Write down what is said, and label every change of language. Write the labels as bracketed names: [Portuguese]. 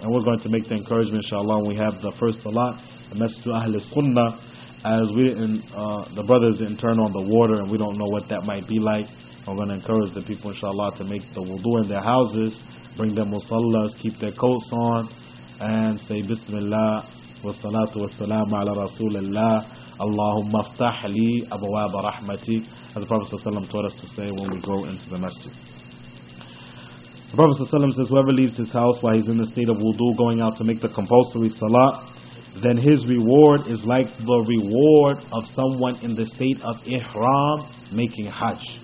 [English] And we're going to make the encouragement, inshallah, when we have the first salat, the message to Ahl al-Sunnah, as we and the brothers didn't turn on the water, and we don't know what that might be like. We're going to encourage the people, inshallah, to make the wudu in their houses, bring their musallas, keep their coats on, and say Bismillah. [Arabic] والصلاة والسلام على رسول الله اللهم افتح لي أبواب رحمتي. [English] As the Prophet ﷺ taught us to say when we go into the masjid. The Prophet ﷺ says, whoever leaves his house while he's in the state of wudu, going out to make the compulsory salat, then his reward is like the reward of someone in the state of ihram making hajj.